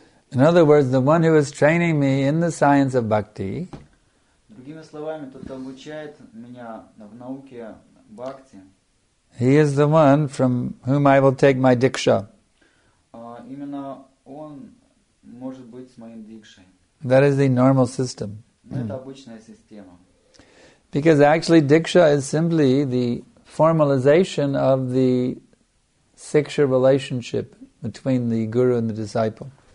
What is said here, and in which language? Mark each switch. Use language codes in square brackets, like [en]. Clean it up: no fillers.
[en] In other words, the one who is training me in the science of bhakti. [ru] Другими словами, тот, кто обучает меня в науке бхакти. [en] He is the one from whom I will take my Diksha. [ru] Именно он может быть с моим Дикшей. [en] That is the normal system. [ru] Это обычная система. [en] Because actually Diksha is simply the formalization of the Siksha relationship between the guru and the disciple.